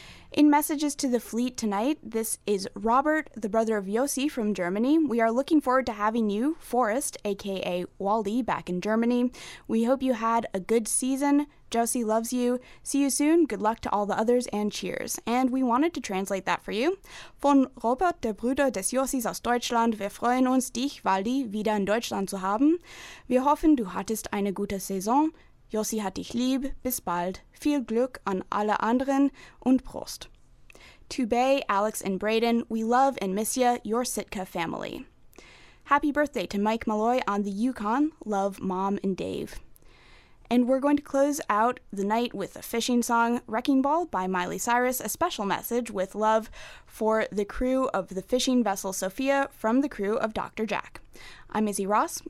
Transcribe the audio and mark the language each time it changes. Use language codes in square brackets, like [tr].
[en] In messages to the fleet tonight, this is Robert, the brother of Yossi from Germany. We are looking forward to having you, Forrest, a.k.a. Waldy, back in Germany. We hope you had a good season. Yossi loves you. See you soon. Good luck to all the others and cheers. And we wanted to translate that for you. [de] Von Robert, der Bruder des Yossis aus Deutschland, wir freuen uns, dich, Waldy, wieder in Deutschland zu haben. Wir hoffen, du hattest eine gute Saison. Yossi hat dich lieb. Bis bald. Viel Glück an alle anderen und Prost. [en] To Bay, Alex, and Braden, we love and miss you, your Sitka family. Happy birthday to Mike Malloy on the Yukon. Love, Mom and Dave. And we're going to close out the night with a fishing song, Wrecking Ball by Miley Cyrus, a special message with love for the crew of the fishing vessel Sophia from the crew of Dr. Jack. I'm Izzy Ross.